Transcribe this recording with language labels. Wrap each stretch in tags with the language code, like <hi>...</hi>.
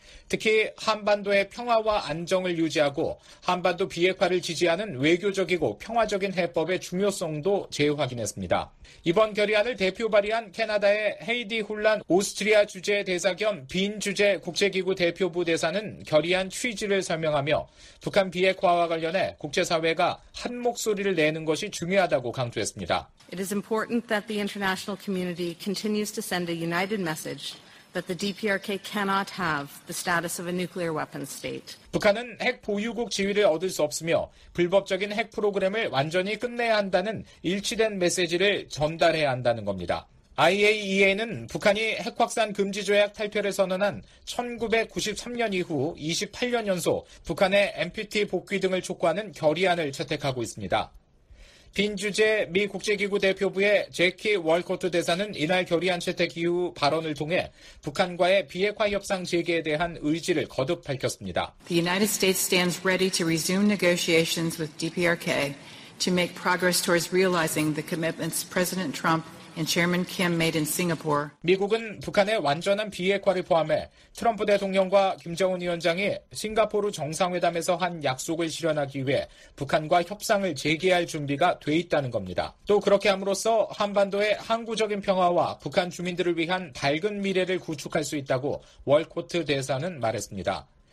<ko>특히 한반도의 평화와 안정을 유지하고 한반도 비핵화를 지지하는 외교적이고 평화적인 해법의 중요성도 재확인했습니다. 이번 결의안을 대표 발의한 캐나다의 헤이디 훌란 오스트리아 주재 대사 겸 빈 주재 국제기구 대표부 대사는 결의안 취지를 설명하며 북한 비핵화와 관련해 국제사회가 한 목소리를 내는 것이 중요하다고 강조했습니다.</ko> <en>It is important that the international community continues to send a united message. But the DPRK cannot have the status of a nuclear weapons state.</en> <ko>북한은 핵 보유국 지위를 얻을 수 없으며 불법적인 핵 프로그램을 완전히 끝내야 한다는 일치된 메시지를 전달해야 한다는 겁니다. IAEA는 북한이 핵확산 금지조약 탈퇴를 선언한 1993년 이후 28년 연속 북한의 NPT 복귀 등을 촉구하는 결의안을 채택하고 있습니다. 빈 주재 미 국제기구 대표부의 제키 월코트 대사는 이날 결의안 채택 이후 발언을 통해 북한과의 비핵화 협상 재개에 대한 의지를 거듭 밝혔습니다.</ko> <en>The United States stands ready to resume negotiations with DPRK to make progress towards realizing the commitments President Trump and Chairman Kim made in Singapore.</en> <ko>미국은 북한의 완전한 비핵화를 포함해 트럼프 대통령과 김정은 위원장이 싱가포르 정상회담에서 한 약속을 실현하기 위해 북한과 협상을 재개할 준비가 돼 있다는 겁니다. 또 그렇게 함으로써 한반도의 항구적인 평화와 북한 주민들을 위한 밝은 미래를 구축할 수 있다고 월코트 대사는 말했습니다.</ko>